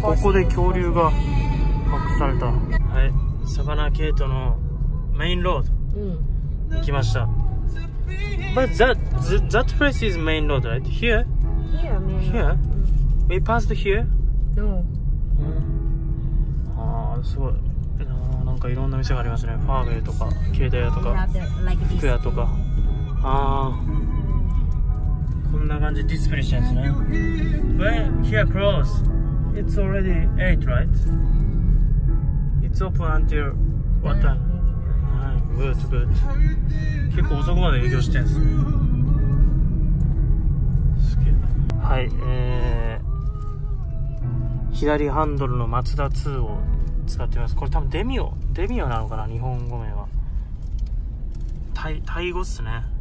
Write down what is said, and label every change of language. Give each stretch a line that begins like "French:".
Japanese: ここで恐竜が発掘された。はい、サバナゲートのメインロード、うん、行きました。
English: But that place is main road, right? Here? Here, main road. Here? We passed here? No、
Japanese: うん、あーすごい、なんかいろんな店がありますね。ファーウェイとか携帯屋とか服屋とか。ああ、こんな感じでディスプレッシャーですね。
English: When here close, it's already 8, right? It's open until what time?
Japanese: 僕はちょっと結構遅くまで営業してんすね。すげえ。はい、左ハンドルのマツダ2を使ってます。これ多分デミオなのかな、日本語名は。タイ語っすね。